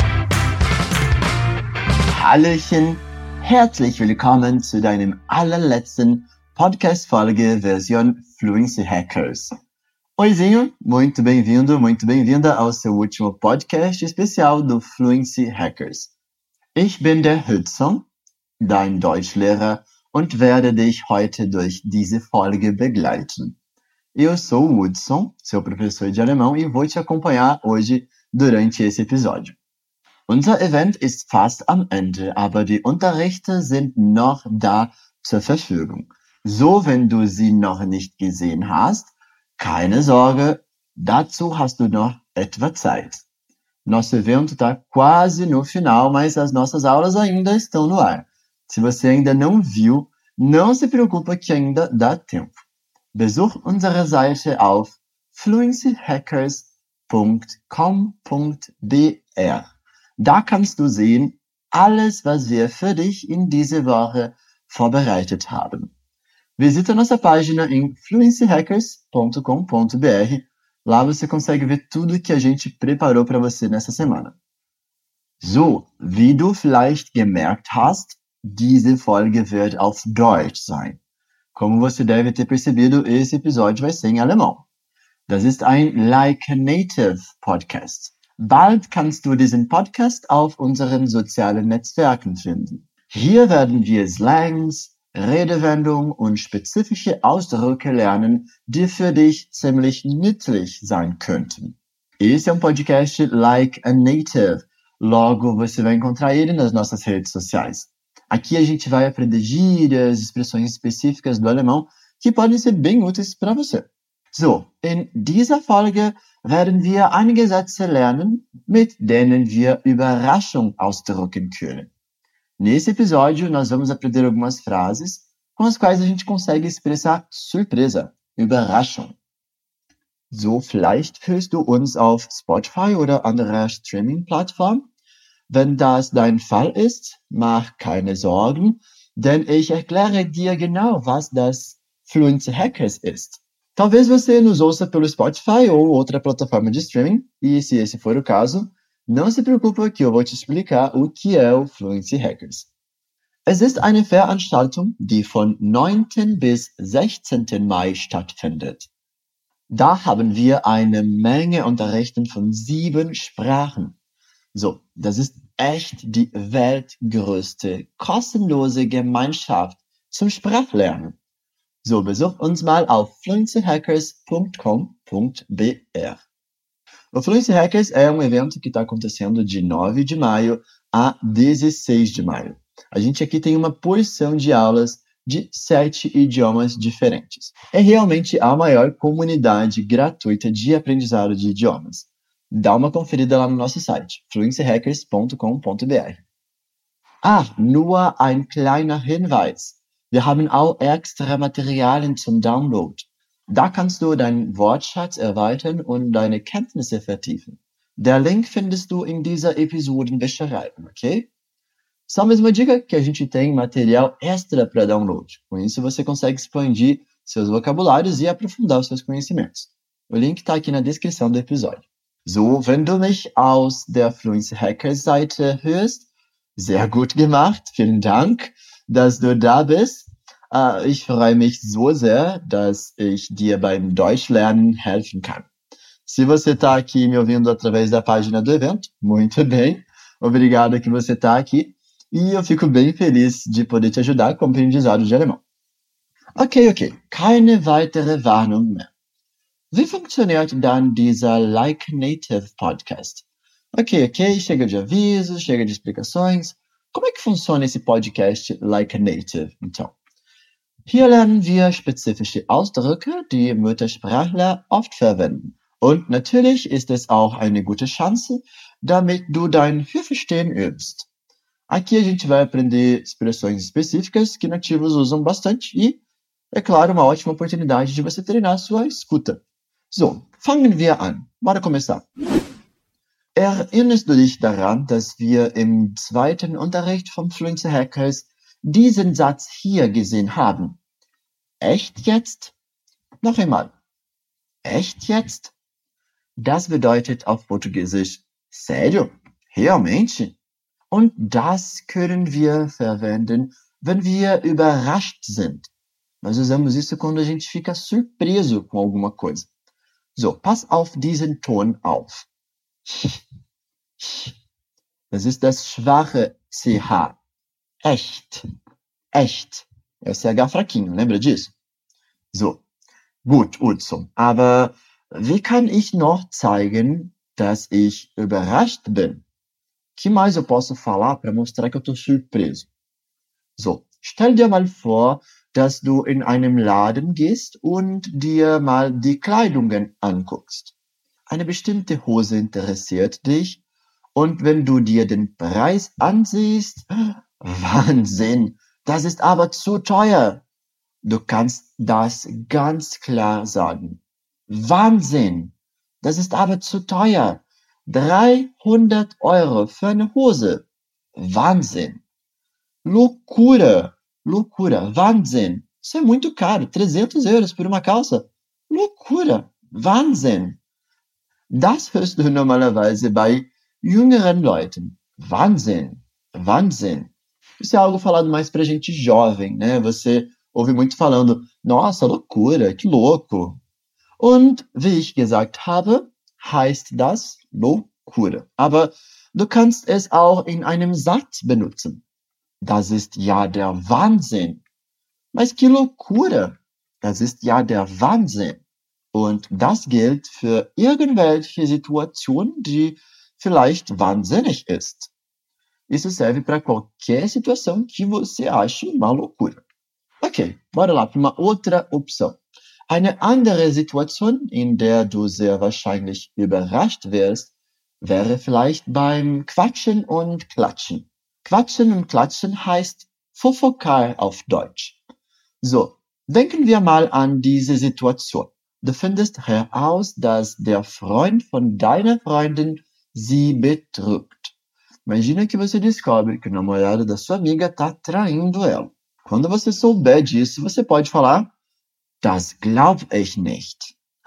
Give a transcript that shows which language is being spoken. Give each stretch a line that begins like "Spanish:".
German: Hallöchen, herzlich willkommen zu deinem allerletzten Podcast-Folge Version Fluency Hackers.
Portuguese: Oizinho, muito bem-vindo ao seu último Podcast especial do Fluency Hackers.
German: Ich bin der Hudson, dein Deutschlehrer, und werde dich heute durch diese Folge begleiten.
Portuguese: Eu sou o Hudson, seu professor de alemão, e vou te acompanhar hoje durante esse episódio.
German: Unser Event ist fast am Ende, aber die Unterrichte sind noch da zur Verfügung. So, wenn du sie noch nicht gesehen hast, keine Sorge, dazu hast du noch etwa Zeit.
Portuguese: Nosso evento está quase no final, mas as nossas aulas ainda estão no ar. Se você ainda não viu, não se preocupe que ainda dá tempo.
German: Besuch unsere Seite auf fluencyhackers.com.br. Da kannst du sehen, alles, was wir für dich in diese Woche vorbereitet haben.
Portuguese: Visita nossa página em fluencyhackers.com.br. Lá você consegue ver tudo que a gente preparou para você nessa semana.
German: So, wie du vielleicht gemerkt hast, diese Folge wird auf Deutsch sein.
Portuguese: Como você deve ter percebido, esse episódio vai ser em alemão.
German: Das ist ein Like Native Podcast. Bald kannst du diesen Podcast auf unseren sozialen Netzwerken finden. Hier werden wir Slangs, Redewendungen und spezifische Ausdrücke lernen, die für dich ziemlich nützlich sein könnten.
Portuguese: Esse é um podcast like a native. Logo, você vai encontrar ele nas nossas redes sociais. Aqui a gente vai aprender gírias, expressões específicas do alemão, que podem ser bem úteis para você.
German: So, in dieser Folge werden wir einige Sätze lernen, mit denen wir Überraschung ausdrücken können.
Portuguese: Nesse episódio, nós vamos aprender algumas frases, com as quais a gente consegue expressar Surpresa, Überraschung.
German: So, vielleicht hörst du uns auf Spotify oder anderer Streaming-Plattform. Wenn das dein Fall ist, mach keine Sorgen, denn ich erkläre dir genau, was das Fluency Hackers ist.
Portuguese: Talvez você nos ouça pelo Spotify ou outra plataforma de streaming, e se esse for o caso, não se preocupe que eu vou te explicar o que é o Fluency Hackers.
German: Es ist eine Veranstaltung, die von 9. bis 16. Mai stattfindet. Da haben wir eine Menge Unterrichten von 7 Sprachen. So, das ist echt die weltgrößte kostenlose Gemeinschaft zum Sprachlernen. So, besuch uns mal auf fluencyhackers.com.br.
Portuguese: O Fluency Hackers é um evento que está acontecendo de 9 de maio a 16 de maio. A gente aqui tem uma porção de aulas de 7 idiomas diferentes. É realmente a maior comunidade gratuita de aprendizado de idiomas. Dá uma conferida lá no nosso site, fluencyhackers.com.br.
German: Ah, nur ein kleiner Hinweis. Wir haben auch extra Materialien zum Download. Da kannst du deinen Wortschatz erweitern und deine Kenntnisse vertiefen. Der Link findest du in dieser Episodenbeschreibung, okay?
Portuguese: Só mais uma dica, que a gente tem material extra para download. Com isso você consegue expandir seus vocabulários e aprofundar os seus conhecimentos. O link está aqui na descrição do episódio.
German: So, wenn du mich aus der Fluency Hackers Seite hörst, sehr gut gemacht, vielen Dank, dass du da bist. Ich freue mich so sehr, dass ich dir beim Deutschlernen helfen kann.
Portuguese: Se você está aqui me ouvindo através da página do evento, muito bem. Obrigado que você está aqui. E eu fico bem feliz de poder te ajudar com o aprendizado de alemão. Ok, ok.
German: Keine weitere Warnung mehr. Wie funktioniert dann dieser Like Native Podcast? Ok, ok.
Portuguese: Chega de avisos, chega de explicações. Como é que funciona esse podcast Like a Native, então?
German: Hier lernen wir spezifische Ausdrücke, die Muttersprachler oft verwenden. Und natürlich ist es auch eine gute Chance, damit du dein Hörverstehen übst.
Portuguese: Aqui a gente vai aprender expressões específicas que nativos usam bastante e, é claro, uma ótima oportunidade de você treinar a sua escuta.
German: So, fangen wir an.
Portuguese: Bora começar.
German: Erinnerst du dich daran, dass wir im zweiten Unterricht vom Fluency Hackers diesen Satz hier gesehen haben? Echt jetzt? Noch einmal. Echt jetzt? Das bedeutet auf Portugiesisch,
Portuguese: sério? Realmente?
German: Und das können wir verwenden, wenn wir überrascht sind.
Portuguese: Nós usamos isso quando a gente fica surpreso com alguma coisa.
German: So, pass auf diesen Ton auf. Das ist das schwache CH. Echt. Echt.
Portuguese: É o CH fraquinho, lembra disso?
German: So, gut, Utzum. Aber wie kann ich noch zeigen, dass ich überrascht bin?
Portuguese: Que mais eu posso falar para mostrar que eu estou surpreso?
German: So, stell dir mal vor, dass du in einem Laden gehst und dir mal die Kleidungen anguckst. Eine bestimmte Hose interessiert dich und wenn du dir den Preis ansiehst, Wahnsinn, das ist aber zu teuer. Du kannst das ganz klar sagen. Wahnsinn, das ist aber zu teuer. 300 Euro für eine Hose. Wahnsinn.
Portuguese: Loucura. Loucura. Wahnsinn. Isso é muito caro. 300 euros por uma calça. Loucura. Wahnsinn.
German: Das hörst du normalerweise bei jüngeren Leuten. Wahnsinn. Wahnsinn.
Portuguese: Isso é algo falado mais pra gente jovem, né? Você ouve muito falando, nossa, loucura, que louco.
German: Und wie ich gesagt habe, heißt das Loucura. Aber du kannst es auch in einem Satz benutzen. Das ist ja der Wahnsinn.
Portuguese: Mas que loucura.
German: Das ist ja der Wahnsinn. Und das gilt für irgendwelche Situationen, die vielleicht wahnsinnig ist.
Portuguese: Isso serve para qualquer situação que você ache uma loucura. Okay, bora lá para uma outra opção.
German: Eine andere Situation, in der du sehr wahrscheinlich überrascht wärst, wäre vielleicht beim Quatschen und Klatschen. Quatschen und Klatschen heißt Fofocal auf Deutsch. So, denken wir mal an diese Situation. Du findest heraus, dass der Freund von deiner Freundin sie betrügt.
Portuguese: Imagina que você descobre que o namorado da sua amiga tá traindo ela. Quando você souber disso, você pode falar:
German: Das glaub ich nicht.